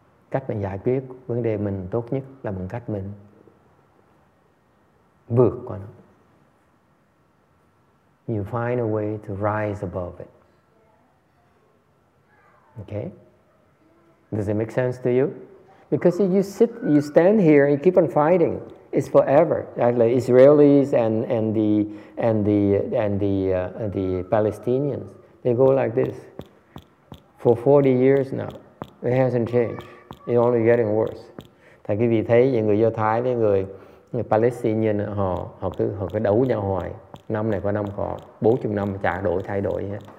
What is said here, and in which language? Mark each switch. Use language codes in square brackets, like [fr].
[vi] Cách mình giải quyết vấn đề mình tốt nhất là bằng cách mình vượt qua nó. [en] You find a way to rise above it. Okay? Does it make sense to you? Because if you sit, you stand here and you keep on fighting, it's forever. Like Israelis and the Palestinians, they go like this for 40 years now. It hasn't changed. It's only getting worse. [vi] Thì quý vị thấy những người Do Thái với người Palestinian họ cứ đấu nhau hoài. Năm này qua năm họ 40 năm chả đổi thay đổi hết.